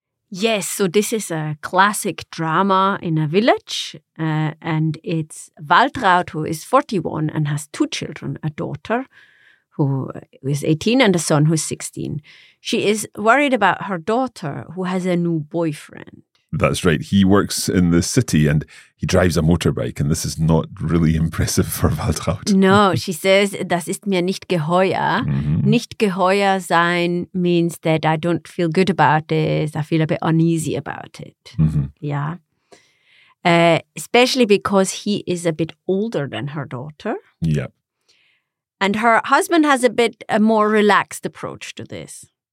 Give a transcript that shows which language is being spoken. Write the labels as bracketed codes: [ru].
[en] Yes, so this is a classic drama in a village, and it's Waltraud, who is 41 and has two children, a daughter who is 18 and a son who is 16. She is worried about her daughter, who has a new boyfriend. That's right. He works in the city and he drives a motorbike, and this is not really impressive for Waltraud. No, she says, [de] das ist mir nicht geheuer. Mm-hmm. Nicht geheuer sein [en] means that I don't feel good about this. I feel a bit uneasy about it. Mm-hmm. Yeah. especially because he is a bit older than her daughter. Yeah. And her husband has a bit a more relaxed approach to this.